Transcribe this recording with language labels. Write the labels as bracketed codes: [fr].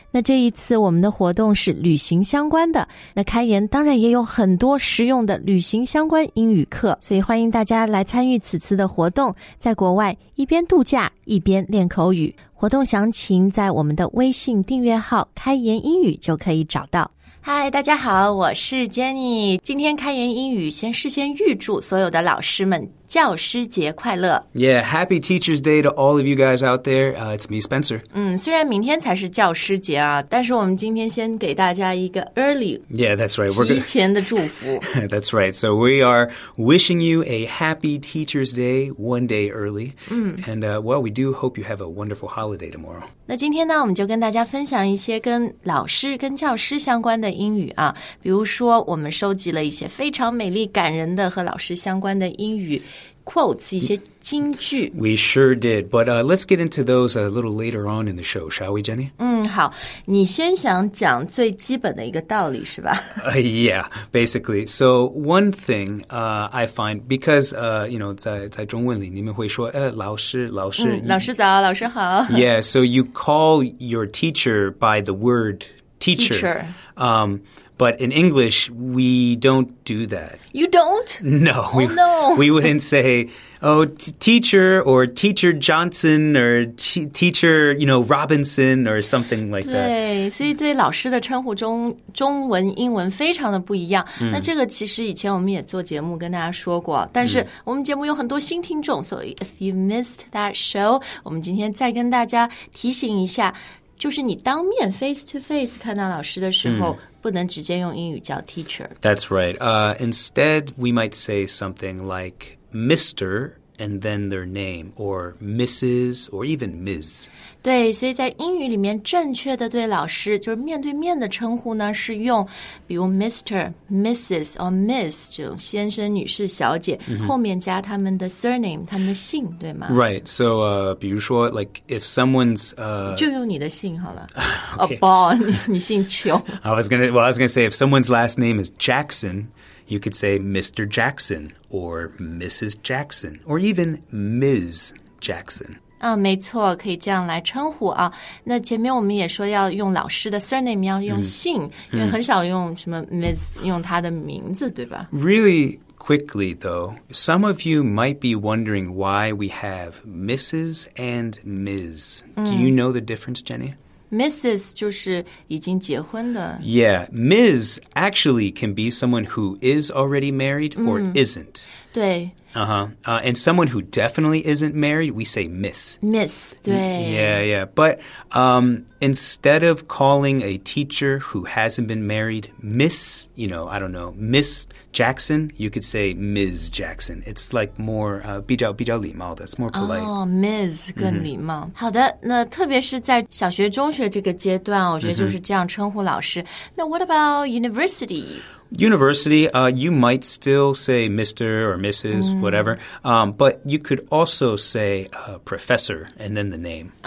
[zh] 那这一次我们的活动是旅行相关的，那开言当然也有很多实用的旅行相关英语课，所以欢迎大家来参与此次的活动，在国外一边度假一边练口语。活动详情在我们的微信订阅号开言英语就可以找到。嗨，大家好，我是 Jenny。今天开言英语先事先预祝所有的老师们教师节快乐。 [en] Yeah, happy Teacher's Day to all of you guys out there. It's me, Spencer. [zh] 虽然明天才是教师节啊，但是我们今天先给大家一个 early. [en] Yeah, that's right. [zh] 提前的祝福。 [en] That's right. So we are wishing you a happy Teacher's Day one day early. And we do hope you have a wonderful holiday tomorrow. [zh] 那今天呢，我们就跟大家分享一些跟老师、跟教师相关的英语啊。比如说，我们收集了一些非常美丽感人的和老师相关的英语quotes, 一些金句。 [en] We sure did, but let's get into those a little later on in the show, shall we, Jenny? [zh] 好，你先想讲最基本的一个道理是吧？ [en] Yeah, basically. So one thing I find, because, you know, [zh] 在中文里你们会说、老师老师、老师早老师好。 [en] Yeah, so you call your teacher by the word teacher. But in English, we don't do that. You don't? No. Oh, no. We wouldn't say, oh, teacher or teacher Johnson or teacher, you know, Robinson or something like [zh] 对 [en] that. [zh] 对，所以对老师的称呼中，中文、英文非常的不一样。那这个其实以前我们也做节目跟大家说过，但是我们节目有很多新听众，所以 [en] if you missed that show, [zh] 我们今天再跟大家提醒一下，就是你当面 [en] face to face [zh] 看到老师的时候，不能直接用英语叫 teacher. [en] That's right. Instead, we might say something like Mr. and then their name, or Mrs. or even Ms. [zh] 对，所以在英语里面正确的对老师，就是面对面的称呼呢，是用比如 Mr., Mrs. or Miss 这种先生、女士、小姐、后面加他们的 surname, 他们的姓，对吗？ [en] Right, so, [zh] 比如说 [en] like, if someone's, [zh] 就用你的姓好了。 [en] Okay. [zh] Bond, 你姓邱。 [en] I was gonna say, if someone's last name is Jackson, you could say Mr. Jackson, or Mrs. Jackson, or even Ms. Jackson. [zh] 没错，可以这样来称呼啊。那前面我们也说要用老师的 surname, 要用姓，因为很少用什么 Ms. 用他的名字，对吧？ [en] Really quickly, though, some of you might be wondering why we have Mrs. and Ms. Do you know the difference, Jenny? [zh] Mrs. 就是已经结婚的。 [en] Yeah, Ms. actually can be someone who is already married or isn't. [zh] 对。 [en] And someone who definitely isn't married, we say Miss. [zh] Miss, 对。 [en] Yeah. But instead of calling a teacher who hasn't been married Miss, you know, I don't know, Miss Jackson, you could say Ms. Jackson. It's like more, [zh] 比较礼貌的, [en] it's more polite. [zh] Oh, Ms. 更礼貌。好的，那特别是在小学、中学这个阶段，我觉得就是这样称呼老师。那 [en] what about university? University, you might still say Mr. or Mrs., whatever, but you could also say professor and then the name.